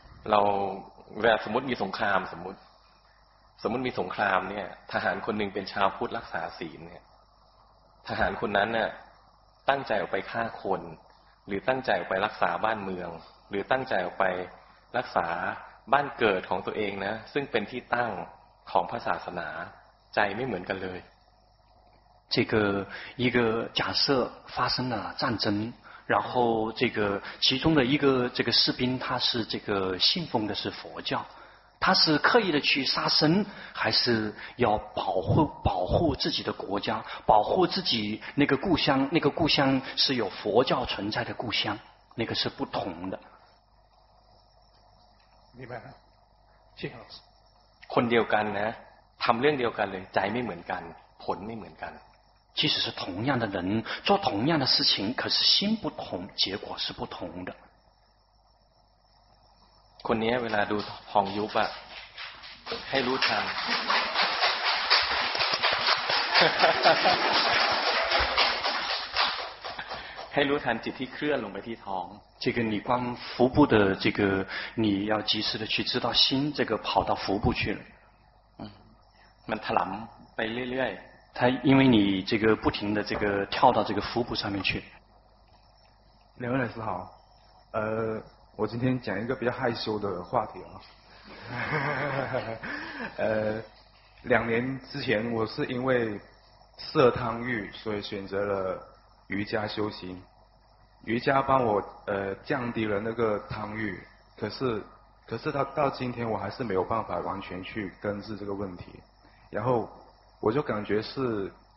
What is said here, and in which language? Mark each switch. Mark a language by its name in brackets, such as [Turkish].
[Thai] เราเวลาสมมติมีสงครามสมมติมีสงครามเนี่ยทหารคนหนึ่งเป็นชาวพุทธรักษาศีลเนี่ยทหารคนนั้นเนี่ยตั้งใจออกไปฆ่าคนหรือตั้งใจออกไปรักษาบ้านเมืองหรือตั้งใจออกไปรักษาบ้านเกิดของตัวเองนะซึ่งเป็นที่ตั้งของพระศาสนาใจไม่เหมือนกันเลย [Chinese] 这个一个假设发生了战争然后这个其中的一个这个士兵他是这个信奉的是佛教他是刻意的去杀生还是要保护自己的国家保护自己那个故乡是有佛教存在的故乡那个是不同的明白了谢谢老师 [Thai] คนเดียวกันนะทำเรื่องเดียวกันเลยใจไม่เหมือนกันผลไม่เหมือนกัน [Chinese] 其实是同样的人做同样的事情可是心不同结果是不同的 [Thai] คนนี้เวลาดูทองยุบอ่ะให้รู้ทันให้รู้ทันจิตที่เคลื่อนลงไปที่ท้อง [Chinese] 这个你观腹部的这个你要及时的去知道心这个跑到腹部去了 [Thai] มันถลำไปเรื่อย [Chinese] ๆ它因为你这个不停的这个跳到这个腹部上面去两位老师好我今天讲一个比较害羞的话题啊两年之前我是因为色贪欲所以选择了瑜伽修行瑜伽帮我降低了那个贪欲可是到今天我还是没有办法完全去根治这个问题然后我就感觉是